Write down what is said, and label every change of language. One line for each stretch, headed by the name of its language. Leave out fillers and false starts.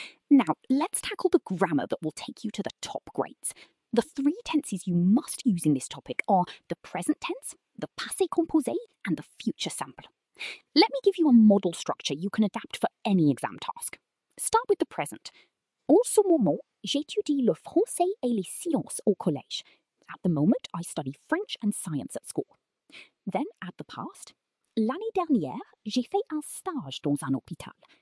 English: Now, let's tackle the grammar that will take you to the top grades. The three tenses you must use in this topic are the present tense, the passé composé, and the future simple. Let me give you a model structure you can adapt for any exam task. Start with the present.
French: En ce moment, j'étudie le français et les sciences au collège.
English: At the moment, I study French and science at school. Then add the past.
French: L'année dernière, j'ai fait un stage dans un hôpital.